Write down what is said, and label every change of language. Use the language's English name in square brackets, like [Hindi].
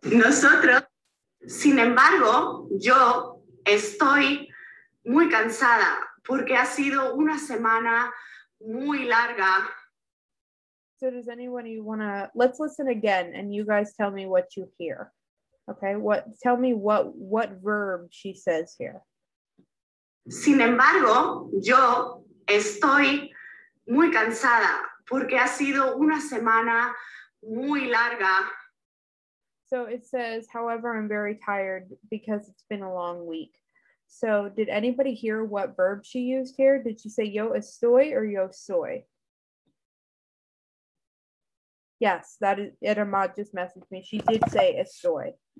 [Spanish] Nosotros, sin embargo, yo estoy muy cansada porque ha sido una semana muy larga. [English] So does anyone you want to, let's listen again and you guys tell me what you hear. Okay, what, tell me what verb she says here. [Spanish] Sin embargo, yo estoy muy cansada porque ha sido una semana muy larga. [English] So it says, however, I'm very tired because it's been a long week. So did anybody hear what verb she used here? Did she say [Spanish] yo estoy [English] or [Spanish] yo soy? [English] Yes, that is, Irma just messaged me. She did say estoy.